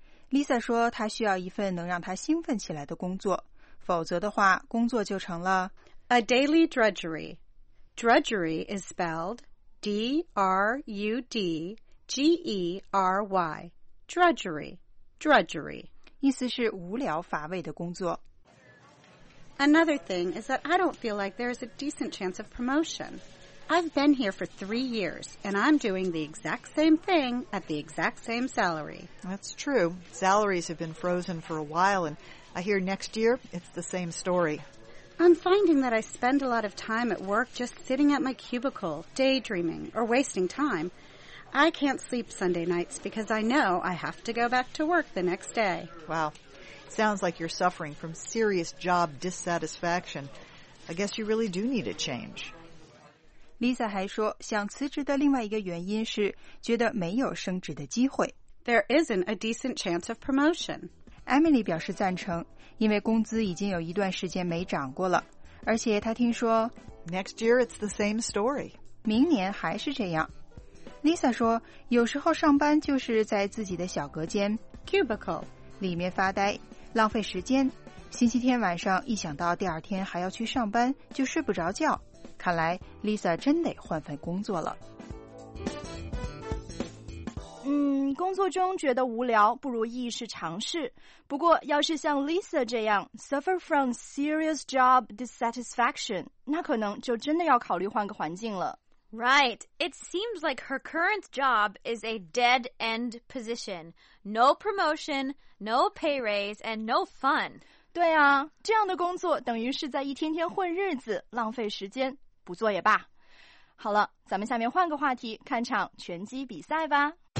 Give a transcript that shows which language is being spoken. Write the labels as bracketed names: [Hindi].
[Chinese] Lisa 说她需要一份能让她兴奋起来的工作，否则的话工作就成了 [English] A daily drudgery. Drudgery is spelled D-R-U-D-G-E-R-Y. Drudgery. Drudgery. [Chinese] 意思是无聊乏味的工作。 [English] Another thing is that I don't feel like there is a decent chance of promotion. I've been here for 3 years, and I'm doing the exact same thing at the exact same salary. That's true. Salaries have been frozen for a while, and I hear next year it's the same story. I'm finding that I spend a lot of time at work just sitting at my cubicle, daydreaming, or wasting time. I can't sleep Sunday nights because I know I have to go back to work the next day. Wow. Sounds like you're suffering from serious job dissatisfaction. I guess you really do need a change. [Chinese] Lisa 还说想辞职的另外一个原因是觉得没有升职的机会。 [English] There isn't a decent chance of promotion. [Chinese] Emily 表示赞成，因为工资已经有一段时间没涨过了，而且她听说 [English] Next year it's the same story. [Chinese] 明年还是这样。Lisa 说有时候上班就是在自己的小隔间 [English] cubicle [Chinese] 里面发呆，浪费时间。星期天晚上一想到第二天还要去上班就睡不着觉。看来 Lisa 真得换份工作了。工作中觉得无聊，不如一试尝试。不过要是像 Lisa 这样 [English] suffer from serious job dissatisfaction, [Chinese] 那可能就真的要考虑换个环境了。 [English] Right, it seems like her current job is a dead-end position. No promotion, no pay raise, and no fun. [Chinese] 对啊，这样的工作等于是在一天天混日子，浪费时间，不做也罢。好了，咱们下面换个话题，看场拳击比赛吧。